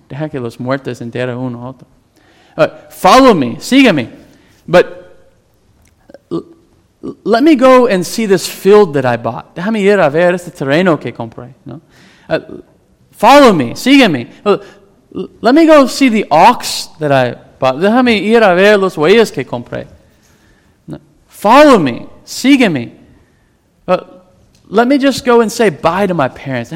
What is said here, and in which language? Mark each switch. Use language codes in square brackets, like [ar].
[es] Deja que los muertos enterren uno a otro. [en] Follow me. [es] Siga me. [en] But let me go and see this field that I bought. [es] Déjame ir a ver este terreno que compré. [en] No? Follow me. [es] Siga me. [en] Let me go see the ox that I bought. [es] Déjame ir a ver los bueyes que compré. [en] No. Follow me. [es] Siga me. [en] Let me just go and say bye to my parents.